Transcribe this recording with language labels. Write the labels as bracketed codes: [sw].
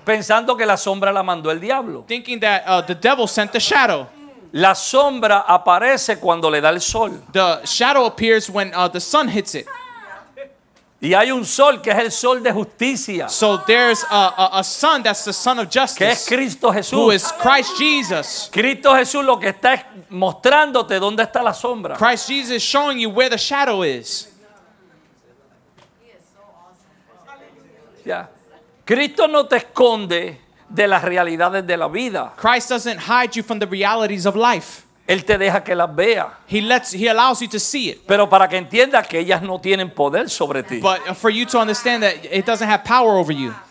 [es] Pensando que la sombra la mandó el diablo. [en] Thinking that the devil sent the shadow. [es] La sombra aparece cuando le da el sol. [en] The shadow appears when the sun hits it. [es] Y hay un sol que es el sol de justicia. [en] So there's a sun that's the sun of justice. [es] Que es Cristo Jesús. [en] Who is Christ Jesus. [es] Cristo Jesús lo que está mostrándote dónde está la sombra. [en] Christ Jesus is showing you where the shadow is. Yeah. [es] Cristo no te esconde de las realidades de la vida. [en] Christ doesn't hide you from the realities of life. [es] Él te deja que las vea. [en] He allows you to see it. [es] Pero para que entiendas que ellas no tienen poder sobre ti. [en] But for you to understand that it doesn't have power over you.